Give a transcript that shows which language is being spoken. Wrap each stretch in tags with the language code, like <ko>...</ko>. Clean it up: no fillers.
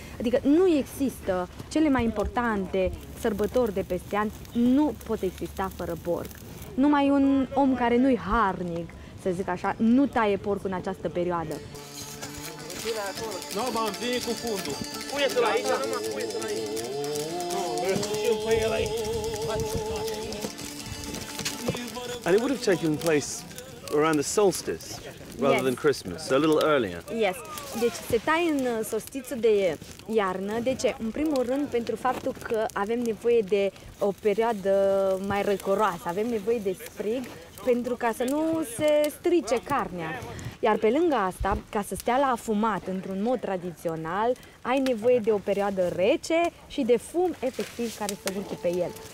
<ro>Adică nu există cele mai importante sărbători de peste an, nu pot exista fără porc. Numai un om care nu-i harnic, să zic așa, nu taie porcul în această perioadă. Nu, m-am vine cu fundul. Pune-te-l aici, pune-te-l aici.</ro> <en>And it would have taken place around the solstice rather than Christmas, so a little earlier. Yes.</en> <ro>Deci se taie în solstițul de iarnă. De ce? În primul rând pentru faptul că avem nevoie de o perioadă mai răcoroasă, avem nevoie de sprig pentru ca să nu se strice carnea. Iar pe lângă asta, ca să stea la afumat într-un mod tradițional, ai nevoie de o perioadă rece și de fum efectiv care să urce pe el.</ro>